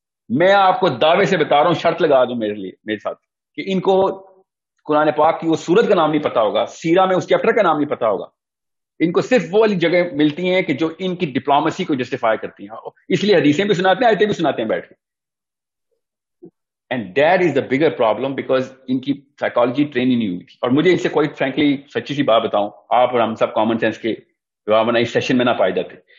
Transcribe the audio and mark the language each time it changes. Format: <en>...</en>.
<ur>میں آپ کو دعوے سے بتا رہا ہوں, شرط لگا دوں میرے لیے, میرے ساتھ, کہ ان کو قرآن پاک کی وہ سورت کا نام نہیں پتا ہوگا, سیرا میں اس چیپٹر کا نام نہیں پتا ہوگا. ان کو صرف وہ والی جگہ ملتی ہیں کہ جو ان کی ڈپلومسی کو جسٹیفائی کرتی ہیں, اس لیے حدیثیں بھی سناتے ہیں, آیتیں بھی سناتے ہیں بیٹھ کے.</ur> <en>and that is the bigger problem, because</en> <ur>ان کی سائیکالوجی ٹرین نہیں ہوئی تھی. اور مجھے ان سے کوئی فرینکلی سچی سی بات بتاؤں, آپ اور ہم سب کامن سینس کے بنا اس سیشن میں نہ پائے جاتے.</ur>